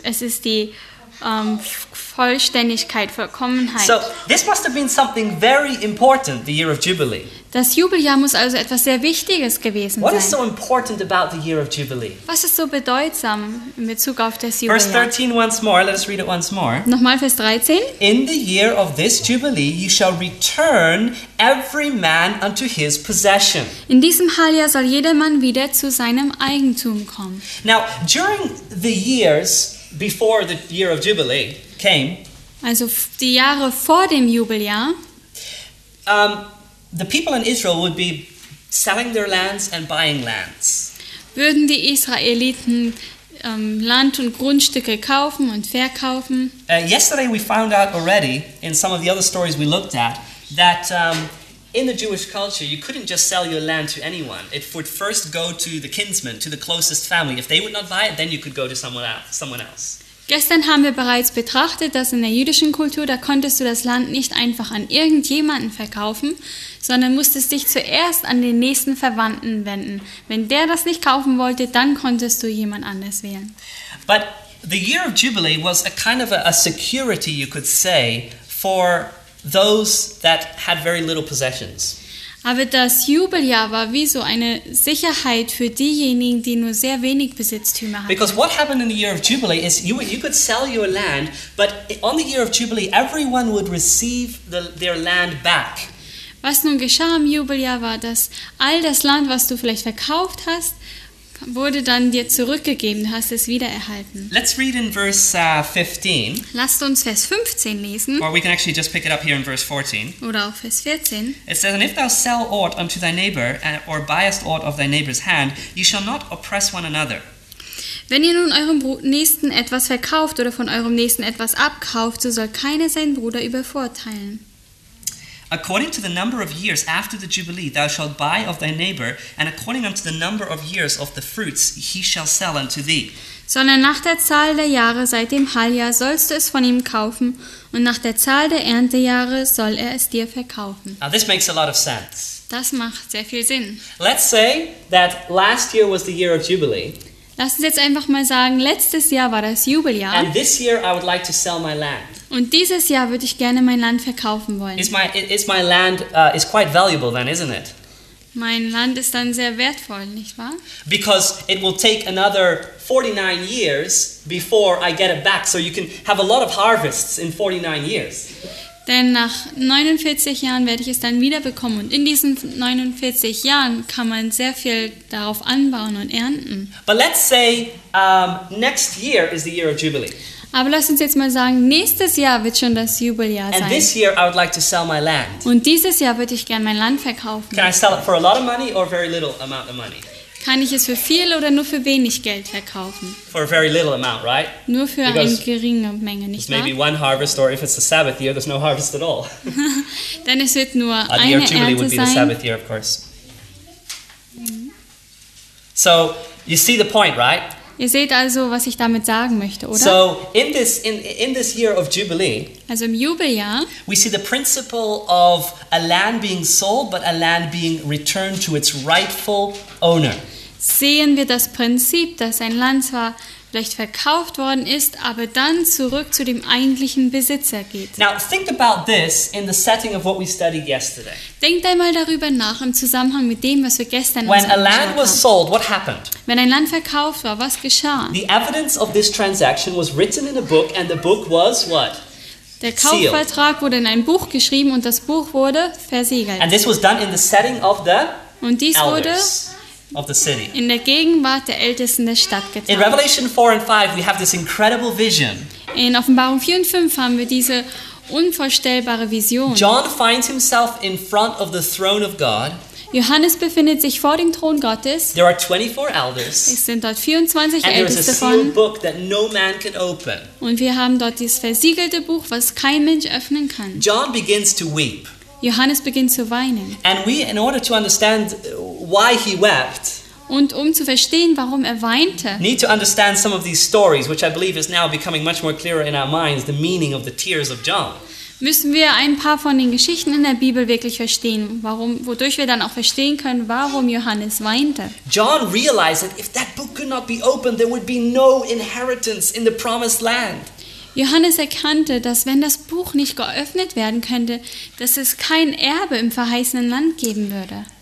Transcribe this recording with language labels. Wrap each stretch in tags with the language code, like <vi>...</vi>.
<de>Es ist die Vollständigkeit, Vollkommenheit.</de> <en>So, this must have been something very important, the year of Jubilee.</en> <de>Das Jubeljahr muss also etwas sehr Wichtiges gewesen</de> <en>What</en> <de>sein.</de> <en>What is so important about the year of Jubilee?</en> <de>Was ist so bedeutsam in Bezug auf das Jubeljahr?</de> <en>Verse 13 once more, let us read it once more.</en> <de>Nochmal Vers 13.</de> <en>In the year of this Jubilee you shall return every man unto his possession.</en> <de>In diesem Heiljahr soll jedermann wieder zu seinem Eigentum kommen.</de> <en>Now, during the years before the year of Jubilee came,</en> <de>also die Jahre vor dem Jubeljahr,</de> <en>the people in Israel would be selling their lands and buying lands.</en> <de>Würden die Israeliten Land und Grundstücke kaufen und verkaufen?</de> <en>Yesterday we found out already in some of the other stories we looked at that in the Jewish culture you couldn't just sell your land to anyone. It would first go to the kinsmen, to the closest family. If they would not buy it, then you could go to someone else.</en> <de>Gestern haben wir bereits betrachtet, dass in der jüdischen Kultur, da konntest du das Land nicht einfach an irgendjemanden verkaufen, sondern musstest dich zuerst an den nächsten Verwandten wenden. Wenn der das nicht kaufen wollte, dann konntest du jemand anders wählen.</de> <en>But the year of Jubilee was a kind of a security, you could say, for those that had very little possessions.</en> <de>Aber das Jubeljahr war wie so eine Sicherheit für diejenigen, die nur sehr wenig Besitztümer hatten.</de> <en>Because what happened in the year of Jubilee is you could sell your land, but on the year of Jubilee everyone would receive their land back.</en> <de>Was nun geschah im Jubeljahr war, dass all das Land, was du vielleicht verkauft hast, wurde dann dir zurückgegeben, du hast es wiedererhalten.</de> <en>Let's read in verse 15.</en> <de>Lasst uns Vers 15 lesen.</de> <en>Or we can actually just pick it up here in verse 14.</en> <de>Oder auch Vers 14.</de> <en>It says, and if thou sell aught unto thy neighbor, or buyest aught of thy neighbor's hand, ye shall not oppress one another.</en> <de>Wenn ihr nun eurem Nächsten etwas verkauft oder von eurem Nächsten etwas abkauft, so soll keiner seinen Bruder übervorteilen.</de> <en>According to the number of years after the jubilee, thou shalt buy of thy neighbor, and according unto the number of years of the fruits, he shall sell unto thee.</en> <de>Sondern nach der Zahl der Jahre seit dem Halljahr sollst du es von ihm kaufen, und nach der Zahl der Erntejahre soll es dir verkaufen.</de> <en>Now this makes a lot of sense.</en> <de>Das macht sehr viel Sinn.</de> <en>Let's say that last year was the year of jubilee.</en> <de>Lass uns jetzt einfach mal sagen, letztes Jahr war das Jubeljahr.</de> <en>And this year I would like to sell my land.</en> <de>Und dieses Jahr würde ich gerne mein Land verkaufen wollen.</de> <en>Is my land is quite valuable then, isn't it?</en> <de>Mein Land ist dann sehr wertvoll, nicht wahr?</de> <en>Because it will take another 49 years before I get it back, so you can have a lot of harvests in 49 years.</en> <de>Denn nach 49 Jahren werde ich es dann wiederbekommen und in diesen 49 Jahren kann man sehr viel darauf anbauen und ernten.</de> <en>But let's say next year is the year of jubilee.</en> <de>Aber lass uns jetzt mal sagen, nächstes Jahr wird schon das Jubeljahr sein.</de> <en>And this year I would like to sell my land.</en> <de>Und dieses Jahr würde ich gerne mein Land verkaufen.</de> <en>Can I sell it for a lot of money or very little amount of money?</en> <de>Kann ich es für viel oder nur für wenig Geld verkaufen?</de> <en>For a very little amount, right?</en> <de>Nur für eine geringe Menge, nicht wahr?</de> <en>Maybe one harvest, or if it's the Sabbath year, there's no harvest at all.</en> <de>Dann es wird nur eine Ernte sein.</de> <en>The year of Jubilee would be the Sabbath year, of course. So you see the point, right?</en> <de>Ihr seht also, was ich damit sagen möchte, oder?</de> <en>So in this year of Jubilee,</en> <de>also im Jubeljahr,</de> <en>we see the principle of a land being sold, but a land being returned to its rightful owner.</en> <de>Sehen wir das Prinzip, dass ein Land zwar vielleicht verkauft worden ist, aber dann zurück zu dem eigentlichen Besitzer geht.</de> <en>Now think about this in the setting of what we studied yesterday.</en> <de>Denkt einmal darüber nach im Zusammenhang mit dem, was wir gestern</de> <en>When a land was sold, what happened?</en> <de>Wenn ein Land verkauft war, was geschah?</de> <en>The evidence of this transaction was written in a book, and the book was what?</en> <de>Der Kaufvertrag wurde in ein Buch geschrieben und das Buch wurde versiegelt.</de> <en>And this was done in the setting of the</en> <de>Und dies</de> <en>elders.</en> <de>Wurde</de> <en>Of the city.</en> <de>In der Gegenwart der Ältesten der Stadt getan.</de> <en>In Revelation 4 and 5 we have this incredible vision.</en> <de>In Offenbarung 4 und 5 haben wir diese unvorstellbare Vision.</de> <en>John finds himself in front of the throne of God.</en> <de>Johannes befindet sich vor dem Thron Gottes.</de> <en>There are 24 elders.</en> <de>Es sind dort 24</de> <en>and</en> <de>Älteste</de> <en>there is a sealed book that no man can open.</en> <de>Und wir haben dort dieses versiegelte Buch, was kein Mensch öffnen kann.</de> <en>John begins to weep.</en> <de>Johannes beginnt zu weinen.</de> <en>And we, in order to understand why he wept,</en> <de>und um zu verstehen, warum er weinte,</de> <en>need to understand some of these stories, which I believe is now becoming much more clearer in our minds, the meaning of the tears of John.</en> <de>Müssen wir ein paar von den Geschichten in der Bibel wirklich verstehen, warum, wodurch wir dann auch verstehen können, warum Johannes weinte.</de> <en>John realized that if that book could not be opened, there would be no inheritance in the promised land.</en> <de>Johannes erkannte, dass wenn das Buch nicht geöffnet werden könnte, dass es kein Erbe im verheißenen Land geben würde.</de>